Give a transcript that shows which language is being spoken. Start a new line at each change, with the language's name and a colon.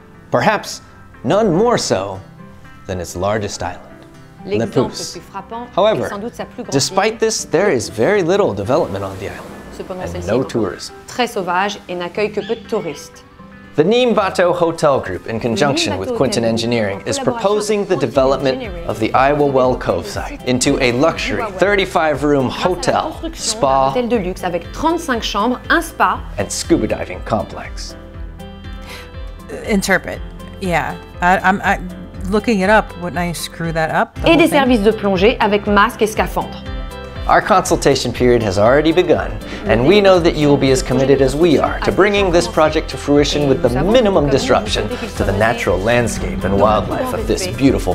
English: Perhaps none more so than its largest island, Lepus. However, despite this, there is very little development on the island. And no tourism.
French: Très sauvage et n'accueille que peu de touristes.
English: The Neem Vato Hotel Group, in conjunction with Quinton Engineering, is proposing the development of the Iowa Well Cove site into a luxury 35-room hotel, spa,
French: de luxe avec 35 chambres, un spa,
English: and scuba diving complex. Interpret. Yeah. I'm looking it up. Wouldn't I screw that up?
French: Et des services de plongée avec masque et scaphandre.
English: Our consultation period has already begun, and we know that you will be as committed as we are to bringing this project to fruition with the minimum disruption to the natural landscape and wildlife of this beautiful